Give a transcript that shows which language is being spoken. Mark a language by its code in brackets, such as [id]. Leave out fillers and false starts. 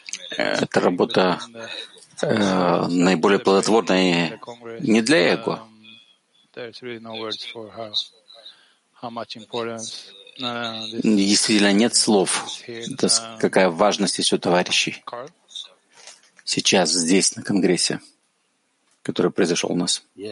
[ru] Эта работа наиболее плодотворная не для эго, [en] There's really no words for how much importance. [ru] Действительно, нет слов, какая важность есть у товарищей сейчас здесь, на Конгрессе, который произошел у нас.